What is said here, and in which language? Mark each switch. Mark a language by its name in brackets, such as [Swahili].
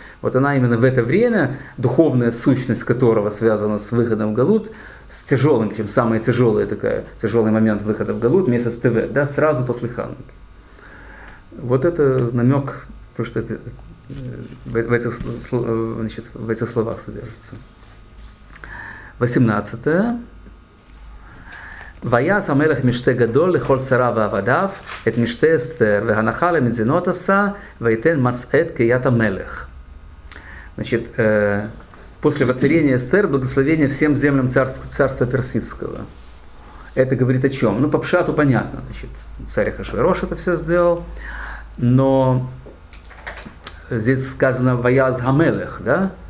[Russian] Вот она именно в это время, духовная сущность которого связана с выходом в галут, с тяжелым, чем самый тяжелый, такой, тяжелый момент выхода в галут, месяц Тевет, да, сразу после Хануки. Вот это намек, потому что это в этих, значит, в этих словах содержится. 18. [Hebrew] ויעש המלך משתה גדול לכל שריו ועבדיו, את משתה אסתר, והנחה למדינות עשה, ויתן מסעת כיד המלך. [Russian] Значит, после воцарения Эстер благословение всем землям царства персидского. Это говорит о чем? Ну, по пшату понятно. Значит, царь Ахашверош это все сделал. Но здесь сказано «Ваяз Гамелех», да?